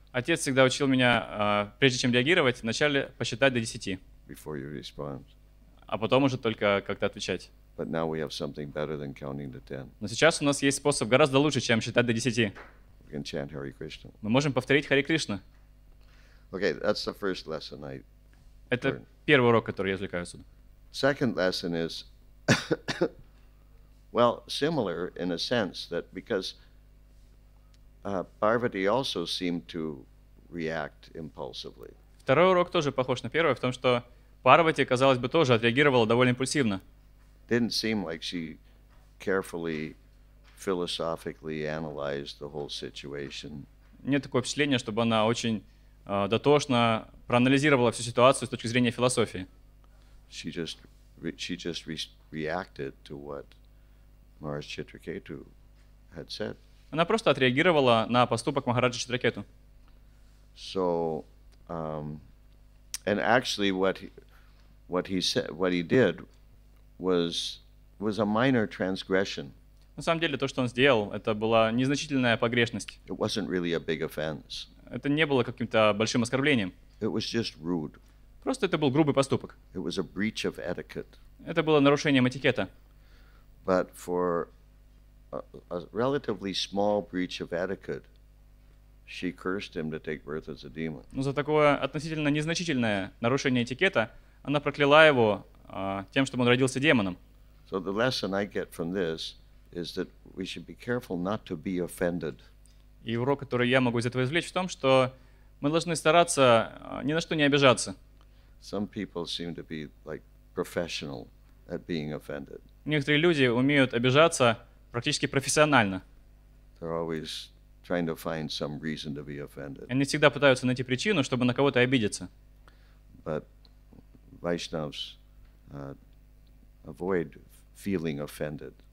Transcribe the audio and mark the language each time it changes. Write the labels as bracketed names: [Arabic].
[Russian] Отец всегда учил меня, прежде чем реагировать, вначале посчитать до 10. [English] Before you respond. [Russian] А потом уже только как-то отвечать. [English] But now we have something better than counting to 10. [Russian] Но сейчас у нас есть способ гораздо лучше, чем считать до 10. [English] We can chant Hare Krishna. [Russian] Мы можем повторить Харе Кришна. [English] Okay, that's the first lesson I learned. [Russian] Это первый урок, который я извлекаю отсюда. [English] Second lesson is well, similar in a sense that because Parvati also seemed to react impulsively. [Russian] Второй урок тоже похож на первый в том, что Парвати, казалось бы, тоже отреагировала довольно импульсивно. [English] Didn't seem like she carefully, philosophically analyzed the whole situation. [Russian] Нет такого впечатления, чтобы она очень дотошно проанализировала всю ситуацию с точки зрения философии. [English] She just reacted to what Maharaj Chitraketu had said. [Russian] Она просто отреагировала на поступок Махараджа Читракету. [English] So, and actually, what he did was a minor transgression. [Russian] На самом деле, то, что он сделал, это была незначительная погрешность. [English] It wasn't really a big offense. [Russian] Это не было каким-то большим оскорблением. [English] It was just rude. [Russian] Просто это был грубый поступок. [English] It was a breach of etiquette. [Russian] Это было нарушением этикета. [English] But for a relatively small breach of etiquette, she cursed him to take birth as a demon. [Russian] Но за такое относительно незначительное нарушение этикета она прокляла его тем, что он родился демоном. [English] So the lesson I get from this is that we should be careful not to be offended. [Russian] И урок, который я могу из этого извлечь, в том, что мы должны стараться ни на что не обижаться. [English] Some people seem to be like professional at being offended. [Russian] Некоторые люди умеют обижаться практически профессионально. [English] They're always trying to find some reason to be offended. [Russian] Они всегда пытаются найти причину, чтобы на кого-то обидеться. [English] But Vaishnavs avoid feeling offended.